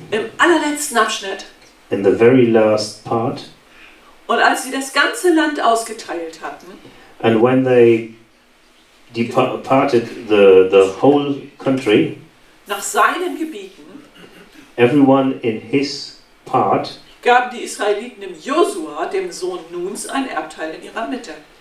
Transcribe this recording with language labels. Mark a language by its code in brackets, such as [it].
[de] Im allerletzten Abschnitt. [en] In the very last part. [de] Und als sie das ganze Land ausgeteilt hatten. [en] And when they departed the whole country. [de] Nach seinen Gebieten. [en] Everyone in his part. [de] Gaben die Israeliten dem Josua, dem Sohn Nuns, ein Erbteil in ihrer Mitte.